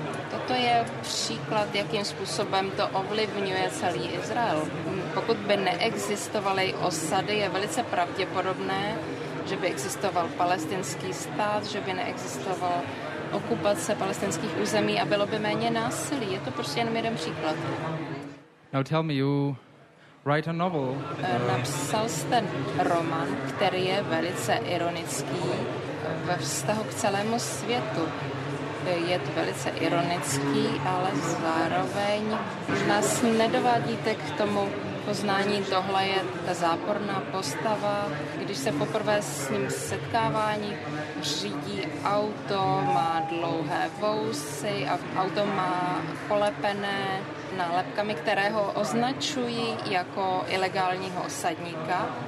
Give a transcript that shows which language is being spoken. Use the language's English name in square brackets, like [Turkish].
[Czech] Toto je příklad, jakým způsobem to ovlivňuje celý Izrael. Pokud by neexistovaly osady, je velice pravděpodobné, že by existoval palestinský stát, že by neexistoval okupace palestinských území a bylo by méně násilí. Je to prostě jenom jeden příklad. [English] Now tell me, you write a novel. [Czech] Napsal jste román, který je velice ironický ve vztahu k celému světu. Je to velice ironický, ale zároveň nás nedovádíte k tomu poznání, tohle je ta záporná postava, když se poprvé s ním setkávání, řídí auto, má dlouhé vousy a auto má polepené nálepkami, které ho označují jako ilegálního osadníka.